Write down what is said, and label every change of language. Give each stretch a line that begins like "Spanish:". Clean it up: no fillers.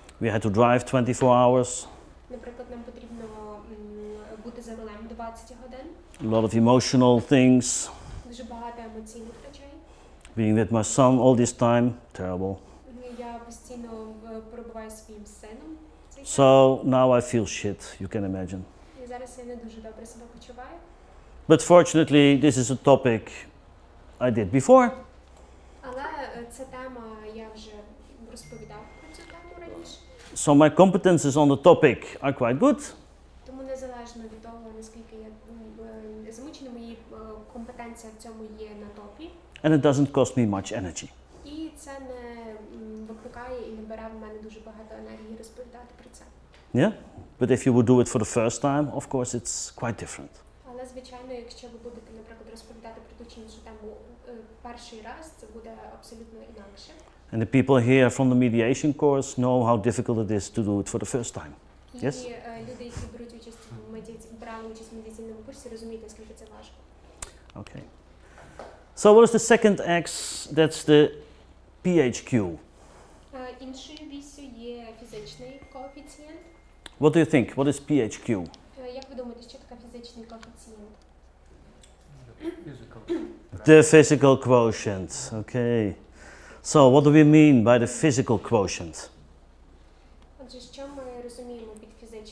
English: We had to drive 24 hours.
Ukrainian: Наприклад, нам потрібно бути за рулем 20 годин.
English: A lot of emotional things.
Ukrainian: Дуже багато емоційних речей.
English: Being with my son all this time, terrible.
Ukrainian: Я постійно перебуваю зі своїм сином.
English: So now I feel shit, you can imagine.
Ukrainian: І зараз я не дуже добре себе почуваю.
English: But fortunately, this is a topic I did before.
Ukrainian: Але ця тема, я вже розповідав про цю тему раніше.
English: So my competences on the topic are quite good.
Ukrainian: Тому незалежно від того, наскільки я змучена, мої компетенції в цьому є на топі.
English: And it doesn't cost me much energy.
Ukrainian: І це не викликає і не бере в мене дуже багато енергії розповідати про це.
English: Yeah, but if you would do it for the first time, of course it's quite different.
Ukrainian: Але звичайно, якщо ви будете, наприклад, розповідати про ту чи іншу тему перший раз, це буде абсолютно інакше.
English: And the people here from the mediation course know how difficult it is to do it for the first time. Yes?
Ukrainian: І люди, які брали участь в медіаційному курсі, розуміють, наскільки це важко.
English: Okay. So what is the second X? That's the PHQ.
Ukrainian: Іншою вісю є фізичний коефіцієнт.
English: What do you think? What is PHQ?
Ukrainian: Як ви думаєте, що таке фізичний коефіцієнт?
English: The physical quotient. Okay. So what do we mean by the physical quotient?
Ukrainian: Отже, що ми розуміємо під фізичним коефіцієнтом?